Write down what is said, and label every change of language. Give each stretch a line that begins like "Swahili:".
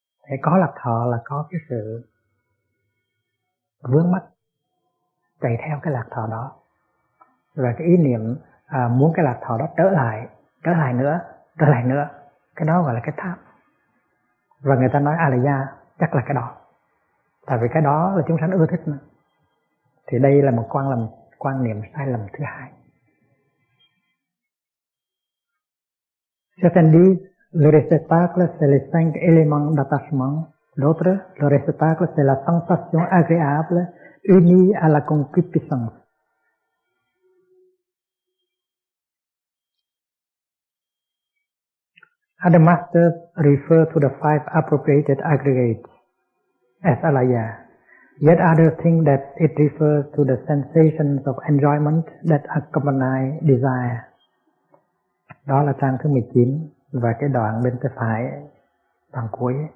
Vietnamese: Để có lạc thọ là có cái sự vướng mắc chạy theo cái lạc thọ đó, và cái ý niệm muốn cái lạc thọ đó trở lại nữa, cái đó gọi là cái tham. Và người ta nói Alaya chắc là cái đó, tại vì cái đó là chúng sanh ưa thích mà. Thì đây là một quan niệm sai lầm thứ hai.
French: Certains le réceptacle c'est les cinq éléments d'attachement, l'autre le réceptacle c'est la sensation agréable uni à la concupiscence.
English: Other masters refer to the five appropriated aggregates as Alaya. Yet others think that it refers to the sensations of enjoyment that accompany desire.
Vietnamese: Đó là trang thứ 19 và cái đoạn bên tay phải, đoạn cuối.